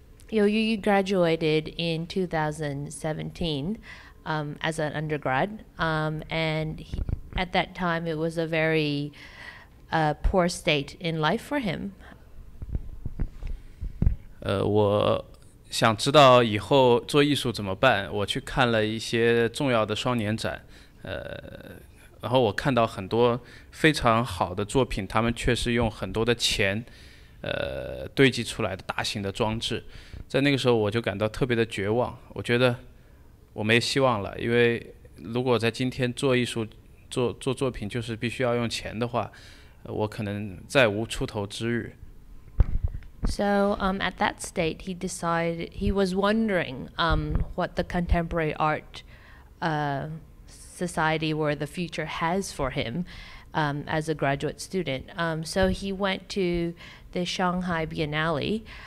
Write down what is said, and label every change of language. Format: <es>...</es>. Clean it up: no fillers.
<en>You graduated in 2017 as an undergrad, and at that time it was a very poor state in life for him.</en> <zh>我想知道以后做艺术怎么办，我去看了一些重要的双年展，然后我看到很多非常好的作品，他们确实用很多的钱堆积出来的大型的装置。在那个时候我就感到特别的绝望，我觉得我没希望了，因为如果在今天做艺术 做作品就是必须要用钱的话，我可能再无出头之日。</zh> <en>So at that state he decided, he was wondering what the contemporary art society or the future has for him as a graduate student. So he went to the Shanghai Biennale</en>